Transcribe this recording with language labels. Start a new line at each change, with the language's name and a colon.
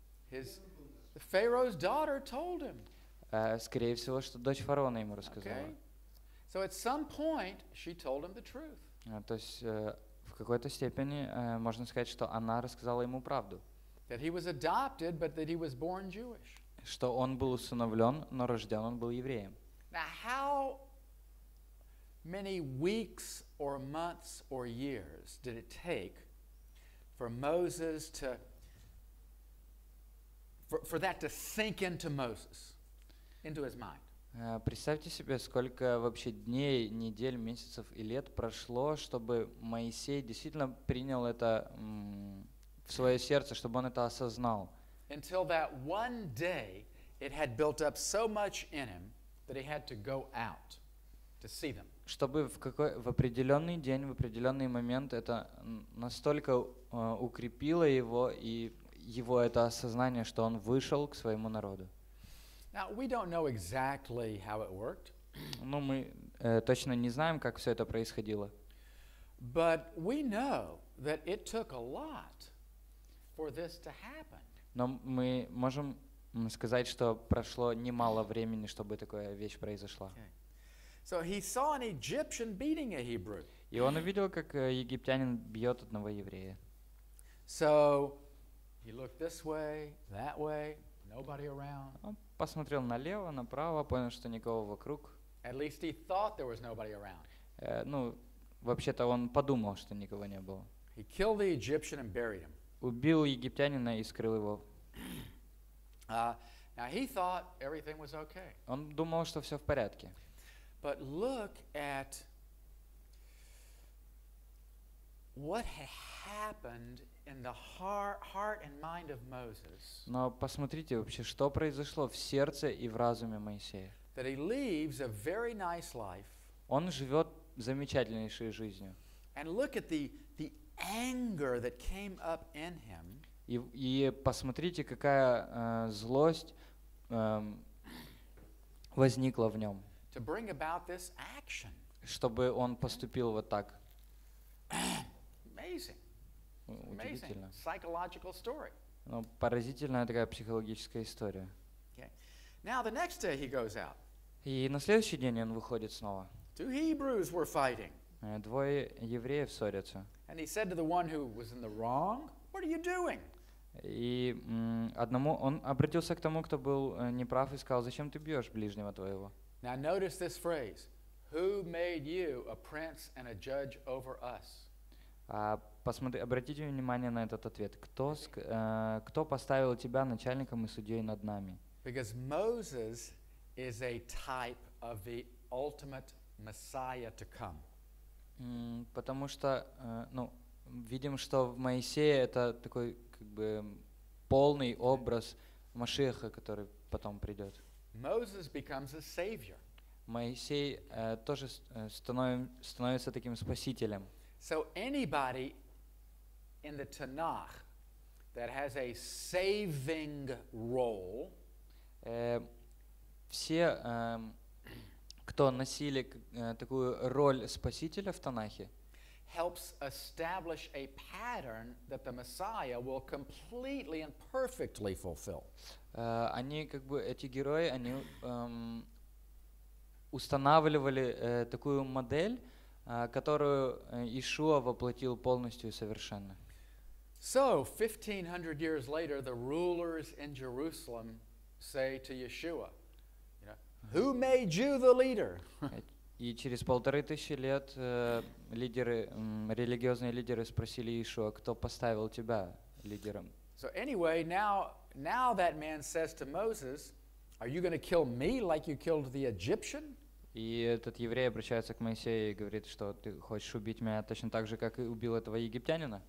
English: The Pharaoh's daughter told him.
Russian: Скорее всего, что дочь фараона ему рассказала.
English: Okay. So at some point she told him the truth.
Russian: То есть в какой-то степени можно сказать, что она рассказала ему правду.
English: That he was adopted, but that he was born Jewish.
Russian: Что он был усыновлен, но рожден он был евреем.
English: Now how many weeks or months or years did it take for Moses to for that to sink into Moses, into his mind?
Russian: Представьте себе, сколько вообще дней, недель, месяцев и лет прошло, чтобы Моисей действительно принял это в свое сердце, чтобы он это осознал.
English: Until that one day it had built up so much in him that he had to go out to see them.
Russian: Чтобы в определенный день, в определенный момент это настолько укрепило его и его это осознание, что он вышел к своему народу.
English: Now, we don't know exactly how it worked.
Russian: Ну, мы точно не знаем, как все это происходило.
English: But we know that it took a lot for this to happen.
Russian: Но мы можем сказать, что прошло немало времени, чтобы такая вещь произошла.
English: Okay. So he saw an Egyptian beating a Hebrew.
Russian: И он увидел, как египтянин бьет одного еврея.
English: So he looked this way, that way, nobody around.
Russian: Он посмотрел налево, направо, понял, что никого вокруг.
English: At least he thought there was nobody around.
Russian: Ну, вообще-то он подумал, что никого не было.
English: He killed the Egyptian and buried him.
Russian: Убил египтянина и скрыл его.
English: Now he thought everything was okay.
Russian: Он думал, что все в порядке.
English: But look at what had happened in the heart and mind of Moses.
Russian: Но посмотрите вообще, что произошло в сердце и в разуме Моисея.
English: That he leaves a very nice life.
Russian: Он живет замечательнейшей жизнью.
English: And look at the anger that came up in him.
Russian: И посмотрите, какая злость возникла в нем.
English: To bring about this action.
Russian: Чтобы он поступил вот так.
English: Amazing. Amazing. Psychological story.
Russian: Ну, поразительная такая психологическая история.
English: Okay. Now the next day he goes out.
Russian: И на следующий день он выходит снова.
English: Two Hebrews were fighting.
Russian: Двое евреев ссорятся.
English: And he said to the one who was in the wrong, "What are you doing?"
Russian: И одному он обратился к тому, кто был неправ, и сказал: "Зачем ты бьешь ближнего твоего?"
English: Now notice this phrase: "Who made you a prince and a judge over us?"
Russian: Обратите внимание на этот ответ. Кто поставил тебя начальником и судьей над нами?
English: Because Moses is a type of the ultimate Messiah to come.
Russian: Потому что, ну, видим, что в Моисее это такой, как бы, полный образ Машиаха, который потом придет.
English: Moses becomes a savior.
Russian: Моисей тоже становится таким спасителем.
English: So anybody in the Tanakh that has a saving role,
Russian: все, кто носили такую роль спасителя в Танахе,
English: helps establish a pattern that the Messiah will completely and perfectly fulfill.
Russian: Они, как бы, эти герои, они устанавливали такую модель, которую Иешуа воплотил полностью и совершенно.
English: So, 1500 years later, the rulers in Jerusalem say to Yeshua, you know, "Who made you the leader?"
Russian: И через 1500 лет лидеры, религиозные лидеры спросили Иешуа, кто поставил тебя лидером.
English: So anyway, now that man says to Moses, "Are you going to kill me like you killed the Egyptian?"
Russian: И этот еврей обращается к Моисею и говорит, что ты хочешь убить меня точно так же, как и убил этого египтянина.